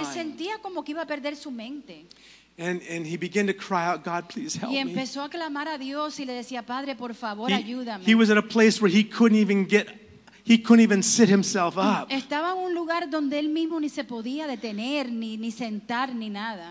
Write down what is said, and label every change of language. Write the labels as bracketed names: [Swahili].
[Spanish] Él sentía como que iba a perder su mente. [English] And he began to cry out, God, please help [Spanish] y empezó [English] me. [Spanish] A clamar a Dios y le decía, Padre, por favor, [English] he, [Spanish] ayúdame. [English] He was at a place where he couldn't even sit himself up. [Spanish] Estaba en un lugar donde él mismo ni se podía detener, ni sentar, ni nada.